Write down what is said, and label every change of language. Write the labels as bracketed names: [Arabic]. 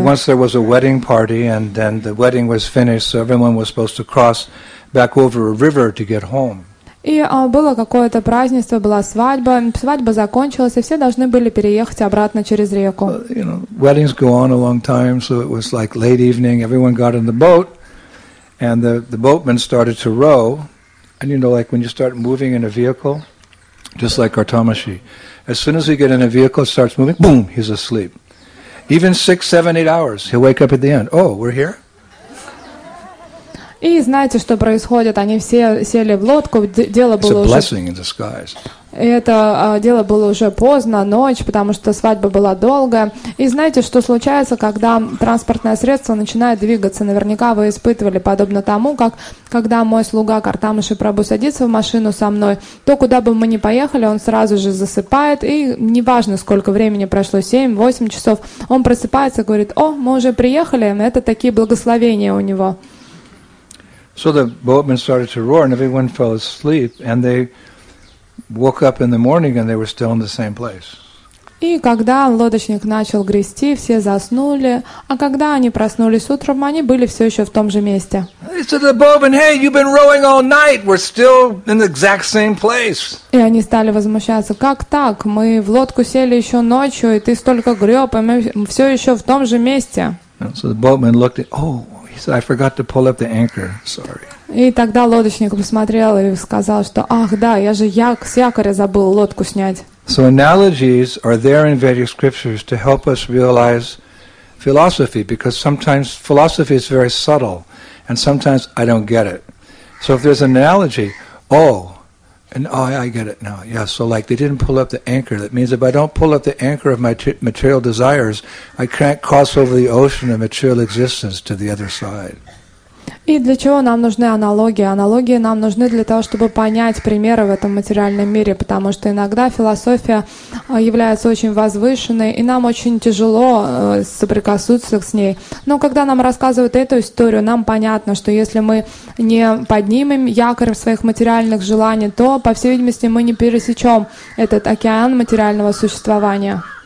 [English] He said, once there was a wedding party, and then the wedding was finished, so everyone was supposed to cross back over a river to get home. [Russian] И было какое-то празднество, была свадьба, свадьба закончилась, и все должны были переехать обратно через реку. [English] You know, weddings go on a long time, so it was like late evening. Everyone got in the boat, and the boatman started to row. And you know, like when you start moving in a vehicle, just like our tamashi. As soon as we get in a vehicle, it starts moving, boom, he's asleep. Even 6, 7, 8 hours, he'll wake up at the end. Oh, we're here? [Russian] И знаете, что происходит? Они все сели в лодку, дело было уже... [English] It's a blessing in disguise. [Russian] И это дело было уже поздно, ночь, потому что свадьба была долгая. И знаете, что случается, когда транспортное средство начинает двигаться? Наверняка вы испытывали подобно тому, как когда мой слуга Картамыши Прабу садится в машину со мной, то куда бы мы ни поехали, он сразу же засыпает, и неважно, сколько времени прошло, 7-8 часов, он просыпается и говорит: «О, мы уже приехали», это такие благословения у него. [English] So the boatman started to roar, and everyone fell asleep, and they woke up in the morning, and they were still in the same place. [Russian] И когда лодочник начал грести, все заснули, а когда они проснулись утром, они были все еще в том же месте. [English] They said to the boatman, "Hey, you've been rowing all night. We're still in the exact same place." [Russian] И они стали возмущаться: "Как так? Мы в лодку сели еще ночью, и ты столько греб, и мы все еще в том же месте." [English] And so the boatman looked at, "Oh." He said, "I forgot to pull up the anchor. Sorry." [Russian] И тогда лодочник посмотрел и сказал, что: "Ах да, я же с якоря забыл лодку снять." [English] So analogies are there in Vedic scriptures to help us realize philosophy, because sometimes philosophy is very subtle, and sometimes I don't get it. So if there's an analogy, I get it now. Yeah. So like they didn't pull up the anchor. That means if I don't pull up the anchor of my material desires, I can't cross over the ocean of material existence to the other side. [Russian] И для чего нам нужны аналогии? Аналогии нам нужны для того, чтобы понять примеры в этом материальном мире, потому что иногда философия является очень возвышенной, и нам очень тяжело соприкоснуться с ней. Но когда нам рассказывают эту историю, нам понятно, что если мы не поднимем якорь в своих материальных желаниях, то, по всей видимости, мы не пересечем этот океан материального существования.